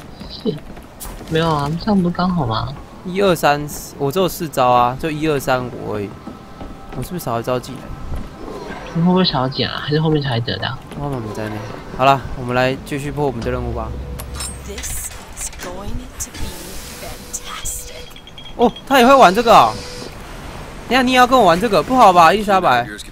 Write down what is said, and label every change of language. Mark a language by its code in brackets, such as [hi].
[zh] 四，没有啊，这样不是刚好吗？一二三，我只有四招啊，就一二三五而已。我是不是少一招技能？你会不会少捡啊？还是后面才得的、啊？后面我们再练。好了，我们来继续破我们的任务吧。 [en] This is going to be fantastic. [zh] 哦，他也会玩这个、哦。等下你也要跟我玩这个，不好吧，伊莎白？